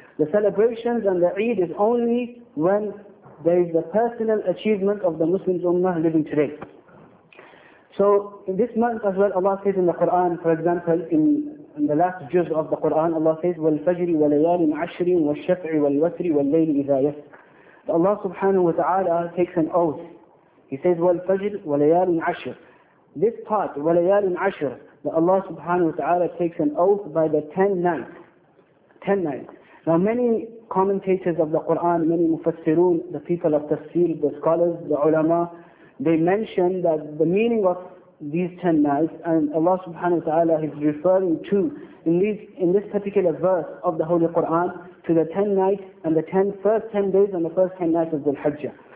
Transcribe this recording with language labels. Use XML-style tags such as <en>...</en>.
<en>The celebrations and the Eid is only when there is the personal achievement of the Muslims Ummah living today. So in this month as well, Allah says in the Quran, for example, in the last juz of the Quran, Allah says,</en> <ar>وَالْفَجْرِ وَلَيَالٍ عَشْرٍ وَالشَّفْعِ وَالْوَتْرِ وَاللَّيْلِ إِذَا يَسْرِ.</ar> <en>Allah subhanahu wa ta'ala takes an oath. He says,</en> <ar>وَالْفَجْرِ وَلَيَالٍ عَشْرٍ.</ar> <en>This part,</en> <ar>وَلَيَالٍ عَشْرٍ,</ar> <en>that Allah subhanahu wa ta'ala takes an oath by the 10 nights. Now many commentators of the Qur'an, many mufassirun, the people of tafsir, the scholars, the ulama, they mention that the meaning of these 10 nights, and Allah subhanahu wa ta'ala is referring to, in this particular verse of the Holy Qur'an, to the 10 nights and the first 10 days and the first 10 nights of Dhul-Hajjah.</en>